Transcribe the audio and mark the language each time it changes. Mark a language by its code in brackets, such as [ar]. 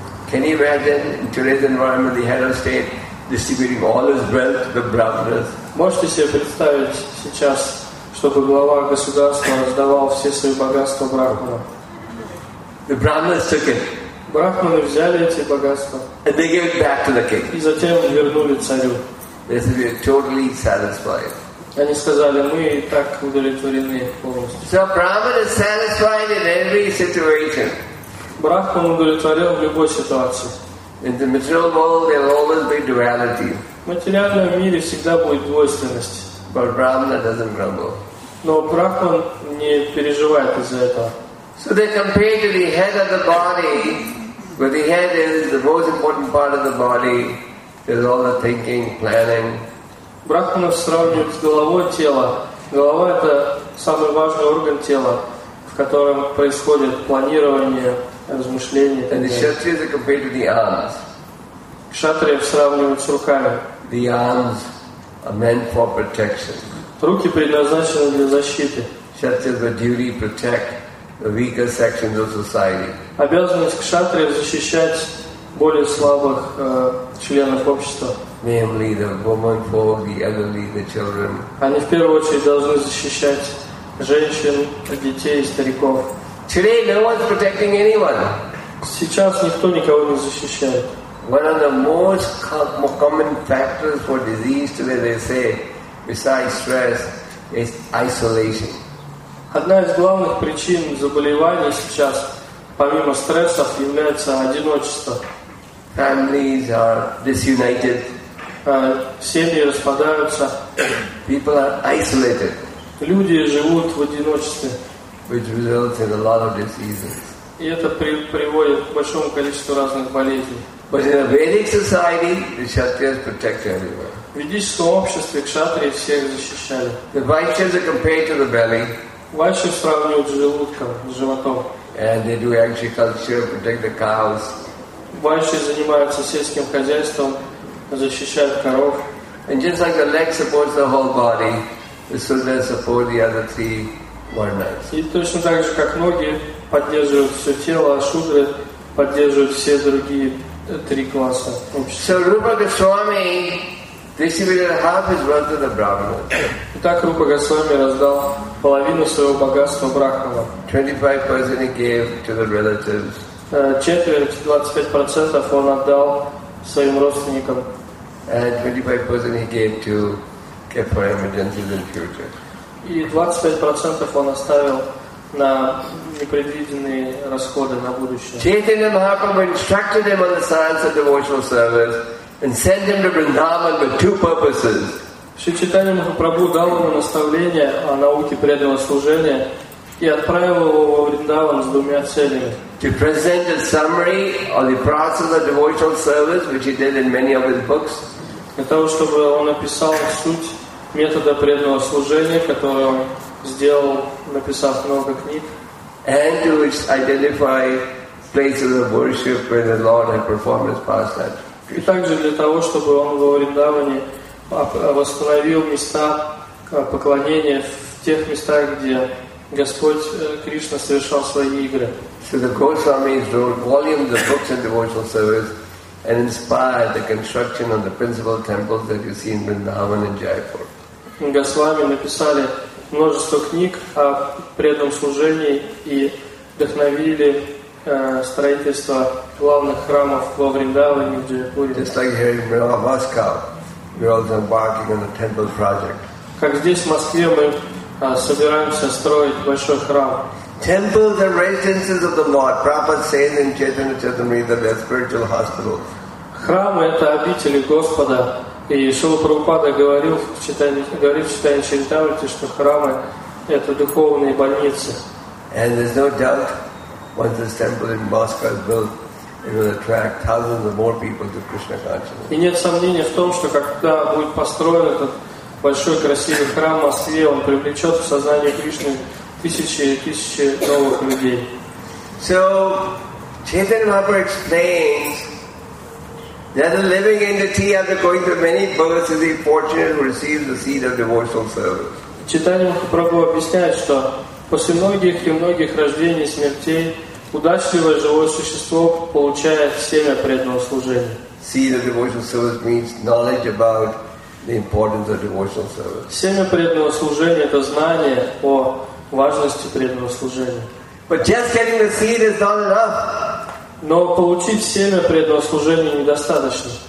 [en] Can you imagine in today's environment the head of state distributing all his wealth to the brahmanas? [ru] Можете себе представить сейчас, чтобы глава государства раздавал все свои богатства брахманам? [en] The brahmanas took it. [ru] Брахманы взяли эти богатства. [en] And they gave it back to the king. [ru] И затем вернули царю. [en] They said, "We are totally satisfied." [ru] Они сказали, мы и так удовлетворены полностью. [en] So brahman is satisfied in every situation. [ru] Брахман удовлетворен в любой ситуации. [en] In the material world, there will always be duality. [ru] В материальном мире всегда будет двойственность. [en] But brahman doesn't grumble. [ru] Но брахман не переживает из-за этого. [en] So they compare to the head of the body, where the head is the most important part of the body. There's all the thinking, planning. [ru] Брахманов сравнивают с головой тела. Голова – это самый важный орган тела, в котором происходит планирование, размышление. [en] And the kshatriyas are compared to the arms. [ru] Кшатриев сравнивают с руками. [en] The arms are meant for protection. [ru] Руки предназначены для защиты. [en] Kshatriyas are duty to protect the weaker sections of society. [ru] Обязанность кшатриев защищать более слабых членов общества. [en] Namely, the woman, for the elderly, the children. [ru] Они в первую очередь должны защищать женщин, детей, стариков. [en] Today, no one's protecting anyone. [ru] Сейчас никто никого не защищает. [en] One of the most common factors for disease today, they say, besides stress, is isolation. [ru] Одна из главных причин заболеваний сейчас, помимо стрессов, является одиночество. [en] Families are disunited. [ru] Семьи распадаются. [en] People are isolated. [ru] Люди живут в одиночестве. [en] Which results in a lot of diseases. [ru] И это приводит к большому количеству разных болезней. [en] But in a Vedic society, the kshatriyas protect everyone. [ru] В ведическом обществе кшатрии всех защищали. [en] The vaishyas are compared to the belly. [ru] Ваши сравнивают с желудком, с животом. [en] And they do agriculture, protect the cows. [ru] Ваши занимаются сельским хозяйством, защищают коров. [en] And just like the leg supports the whole body, the sutra support the other three varnas. [ru] И точно так же, как ноги поддерживают все тело, а шудры поддерживают все другие три класса. [en] So Rupa Goswami distributed half his wealth to the Brahmana. [ru] Итак, Рупа Госвами раздал половину своего богатства брахмана. [en] 25% he gave to the relatives. [ru] Четверть, 25% он отдал своим родственникам. [en] And 25% he gave to care for emergencies in future. [ru] И 25% он оставил на непредвиденные расходы на будущее. [en] Chaitanya Mahaprabhu instructed him on the science of devotional service and sent him to Vrindavan with two purposes. [ru] Шри Чайтанья Махапрабху дал ему наставление о науке преданного служения и отправил его во Вриндаван с двумя целями. [en] To present a summary of the process of devotional service, which he did in many of his books. [ru] Для того, чтобы он описал суть метода преданного служения, который он сделал, написав много книг. [en] And to identify places of worship where the Lord had performed his pastime. [ru] И также для того, чтобы он во Вриндаване восстановил места поклонения в тех местах, где Господь Кришна совершал свои игры. [en] So the Goswamis wrote volumes of books and devotional service and inspired the construction of the principal temples that you see in Vrindavan and Jaipur. [ru] Госвами написали множество книг о преданном служении и вдохновили строительство главных храмов во Вриндаване и Джайпуре. [en] Just like here in Moscow, we're also embarking on a temple project. [ru] Как здесь, в Москве, мы собираемся строить большой храм. [en] Temples are residences of the Lord. Prabhupada says in Chaitanya Charitamrita that they're spiritual hospitals. [ru] Храмы — это обители Господа. И Шрила Прабхупада говорил в Чайтанья Чаритамрите, что храмы — это духовные больницы. [en] And there's no doubt, once this temple in Moscow is built, it will attract thousands of more people to Krishna consciousness. [ru] И нет сомнения в том, что когда будет построен этот большой красивый храм в Москве, он привлечет в сознание Кришны тысячи и тысячи новых людей. [en] So, Chaitanya Mahaprabhu explains that a living entity, after going through many births, is the fortunate who receives the seed of devotional service. [ru] Chaitanya Mahaprabhu объясняет, что после многих и многих рождений и смертей удачливое живое существо получает семя преданного служения. [en] Seed of devotional service means knowledge about the importance of devotional service. [ru] Семя преданного служения — это знание о важности преданного служения. [en] But just getting the seed is not enough. [ru] Но получить семя преданного служения недостаточно.